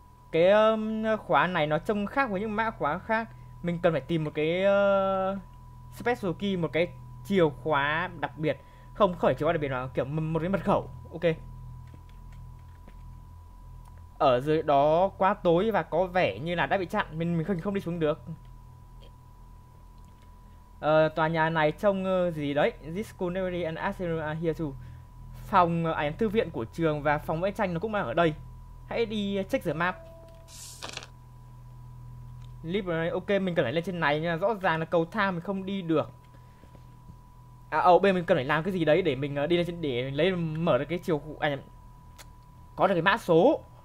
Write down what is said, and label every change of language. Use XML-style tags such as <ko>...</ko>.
<vi>Cái khóa này nó trông khác với những mã khóa khác. Mình cần phải tìm một cái</vi> <en>special key,</en> <vi>một cái chìa khóa đặc biệt. Không khỏi chìa khóa đặc biệt là kiểu một cái mật khẩu. Ok. Ở dưới đó quá tối và có vẻ như là đã bị chặn, mình không đi xuống được. Tòa nhà này trông gì đấy?</vi> <en>This school library and assembly are here too.</en> <vi>Phòng thư viện của trường và phòng vẽ tranh nó cũng đang ở đây. Hãy đi</vi> <en>check the map.</en> <vi>Library, ok, mình cần phải lên trên này nha. Rõ ràng là cầu thang mình không đi được. À, ở bên mình cần phải làm cái gì đấy để mình đi lên trên để lấy mở được cái chiều khu, có được cái mã số.</vi>